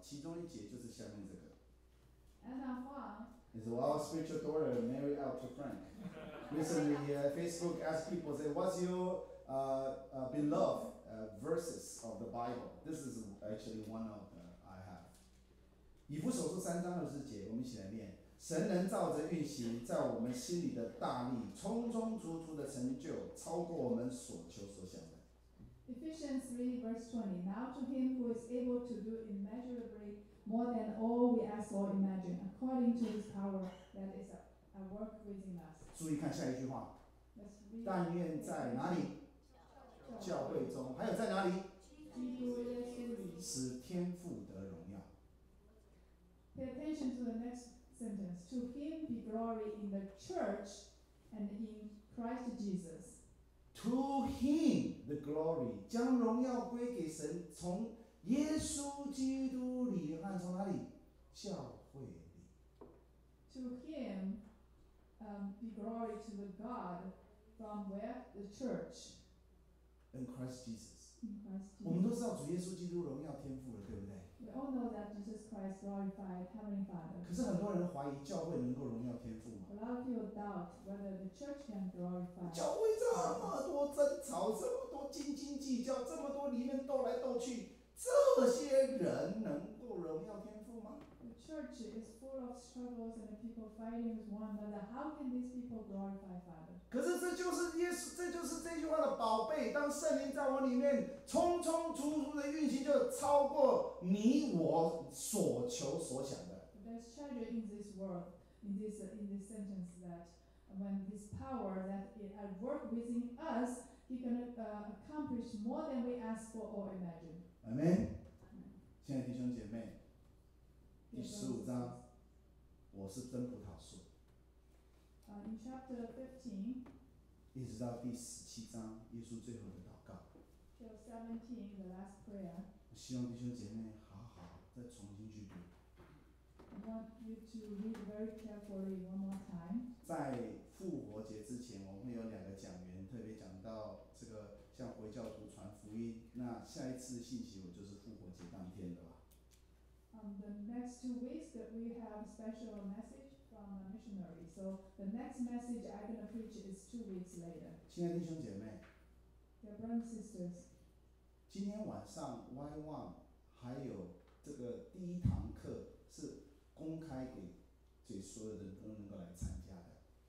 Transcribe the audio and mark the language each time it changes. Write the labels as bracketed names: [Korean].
[Chinese] 其中一节就是下面这个。 [English] Anna Huang is a wild spiritual daughter married out to Frank. Recently, Facebook asked people, say, what's your beloved verses of the Bible? This is actually one of the I have. [Chinese] 以弗所书三章二十节，我们一起来念。神能照着运行在我们心里的大力，充充足足的成就，超过我们所求所想的。 [English] Ephesians 3 verse 20. Now to him who is able to do immeasurably more than all we ask or imagine, according to his power that is at work within us. [Chinese] 注意看下一句话。但愿在哪里？教会中。还有在哪里？基督耶稣里。使天父得荣耀。 [English] Pay attention to the next sentence. To him be glory in the church and in Christ Jesus. To him the glory, [Chinese] 将荣耀归给神，从耶稣基督里，那从哪里？教会里。 [English] To him, be glory to the God from where? The church. In Christ Jesus. [Chinese] 我们都知道主耶稣基督荣耀天父了，对不对？ [English] We all know that Jesus Christ glorified Heavenly Father. [Chinese] 可是很多人怀疑教会能够荣耀天父吗？ [English] A lot of people doubt whether the church can glorify. [Chinese] 教会这么多争吵，这么多斤斤计较，这么多里面斗来斗去，这些人能够荣耀天父吗？ [English] The church is full of struggles and people fighting with one another. How can these people glorify Father? [Chinese] 可是这就是耶稣，这就是这句话的宝贝。当圣灵在我里面冲冲突突的运行，就超过你我所求所想的。 [English] There's treasure in this world, in this sentence that when this power that is at work within us, he can accomplish more than we ask for or imagine. [Chinese] 阿门。亲爱的弟兄姐妹，第十五章，我是真葡萄树。 [English] In chapter 15, [Chinese] 一直到第十七章，耶稣最后的祷告。 [English] Till 17, the last prayer. [Chinese] 我希望弟兄姐妹好好再重新去读。 [English] I want you to read very carefully one more time. [Chinese] 在复活节之前，我们有两个讲员特别讲到这个。向回教徒传福音，那下一次信息我就是复活节当天的吧。 [English] The next 2 weeks that we have a special message from a missionary, so the next message I'm going to preach is 2 weeks later. [Chinese] 亲爱的弟兄姐妹 [English] ，Dear brothers and sisters， [Chinese] 今天晚上 Y One 还有这个第一堂课是公开给这所有人都能够来参加的。